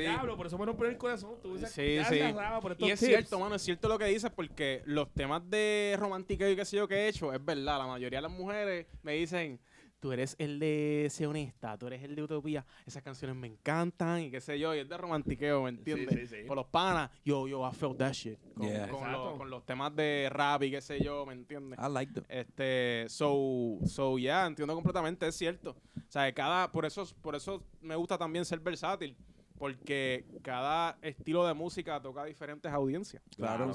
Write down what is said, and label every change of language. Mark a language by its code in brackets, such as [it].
[es] Diablo, por eso me rompen el corazón. Tú dices, sí, sí. Y es Cierto, mano, es cierto lo que dices, porque los temas de romántico y qué sé yo que he hecho, es verdad, la mayoría de las mujeres me dicen. Tú eres el de Sionista, tú eres el de Utopía. Esas canciones me encantan y qué sé yo. Y es de romantiqueo, ¿me entiendes? Sí, sí, sí. Por los panas, yo, [en] I felt that shit. [es] Con los temas de rap y qué sé yo, ¿me entiendes? [en] I like them. [es] So, entiendo completamente, es cierto. O sea, por eso me gusta también ser versátil. Porque cada estilo de música toca a diferentes audiencias. Claro,